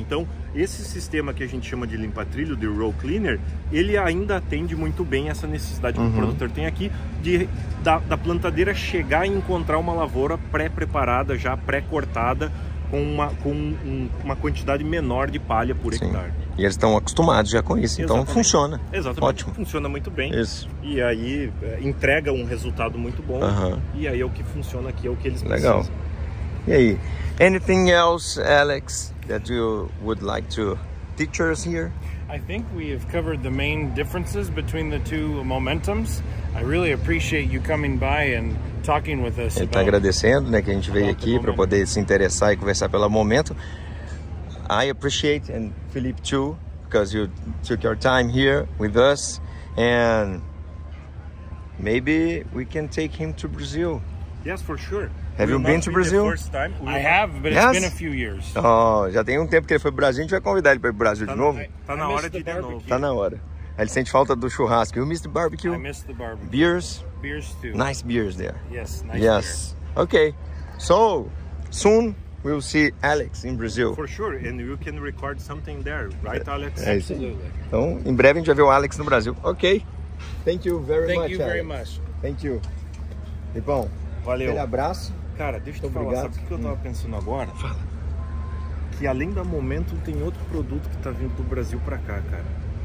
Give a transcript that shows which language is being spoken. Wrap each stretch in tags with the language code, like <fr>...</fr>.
<pt>Então, esse sistema que a gente chama de limpa-trilho, de row cleaner, ele ainda atende muito bem essa necessidade que o produtor tem aqui da plantadeira chegar e encontrar uma lavoura pré-preparada, já pré-cortada, com uma quantidade menor de palha por hectare. E eles estão acostumados já com isso, então funciona. Exatamente, ótimo. Funciona muito bem. Isso. E aí entrega um resultado muito bom. Uh-huh. E aí é o que funciona aqui, é o que eles Legal. Precisam. E aí,</pt> <en>anything else, Alex, that you would like to teach us here? I think we have covered the main differences between the two momentums. I really appreciate you coming by and talking with us.</en> <pt>Ele está agradecendo, né, que a gente veio aqui para poder se interessar e conversar pelo momento.</pt> <en>I appreciate, and Philippe too, because you took your time here with us, and maybe we can take him to Brazil. Yes, for sure. Have you been to Brazil? I have, but it's been a few years.</en> <pt>Oh, já tem tempo que ele foi para o Brasil, a gente vai convidar ele para ir para o Brasil de novo. Está na hora de novo. Está na hora. Ele sente falta do churrasco.</pt> <en>You missed the barbecue? I missed the barbecue. Beers? Beers too. Nice beers there. Yes, nice beers. Okay, so soon... We'll see Alex in Brazil. For sure, and you can record something there, right, Alex? É, absolutely.</en> <pt>Então, em breve a gente vai ver o Alex no Brasil.</pt> <en>Ok. Thank you very Thank much, Thank you Alex. Very much. Thank you. Lipão,</en> <pt>valeu. Aquele abraço. Cara, deixa eu te falar, obrigado. Sabe o que eu tava pensando agora? Fala. Que além da Momentum, tem outro produto que tá vindo do Brasil pra cá, cara.</pt>